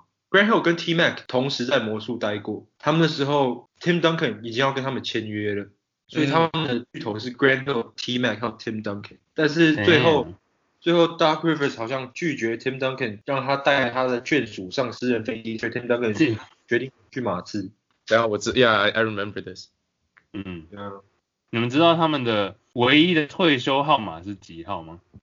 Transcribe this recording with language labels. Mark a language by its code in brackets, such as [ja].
[zh] Grant Hill 跟 T Mac 同时在魔术待过，他们的时候 Tim Duncan 已经要跟他们签约了，所以他们的巨头是 Grant Hill、T Mac 和 Tim Duncan。但是最后 Doc Rivers 好像拒绝 Tim Duncan， 让他带他的眷属上私人飞机，所以 Tim Duncan 决定去马刺。然后我知 [en] ，Yeah，I remember this。嗯。 [zh] 你们知道他们的唯一的退休号码是几号吗？